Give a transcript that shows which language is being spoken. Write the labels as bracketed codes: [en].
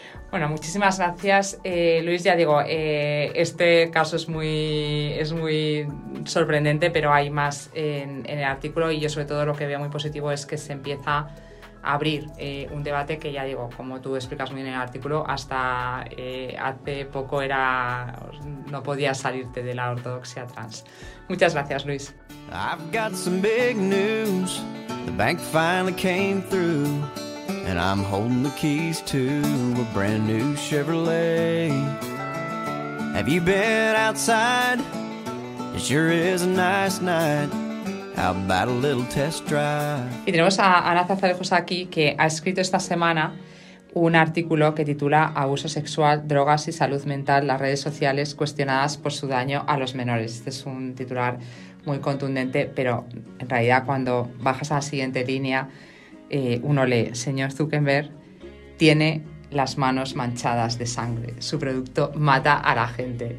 [es] Bueno, muchísimas gracias, Luis. Ya digo, este caso es muy sorprendente, pero hay más en el artículo, y yo sobre todo lo que veo muy positivo es que se empieza a abrir un debate que, ya digo, como tú explicas muy bien en el artículo, hasta hace poco era, no podías salirte de la ortodoxia trans. Muchas gracias, Luis. [en] I've got some big news. The bank finally came through. And I'm holding the keys to a brand new Chevrolet. Have you been outside? It sure is a nice night. How about a little test drive? [es] Y tenemos a Ana Zarzalejos aquí, que ha escrito esta semana un artículo que titula Abuso sexual, drogas y salud mental, las redes sociales cuestionadas por su daño a los menores. Este es un titular muy contundente, pero en realidad cuando bajas a la siguiente línea, uno lee: señor Zuckerberg tiene las manos manchadas de sangre, su producto mata a la gente.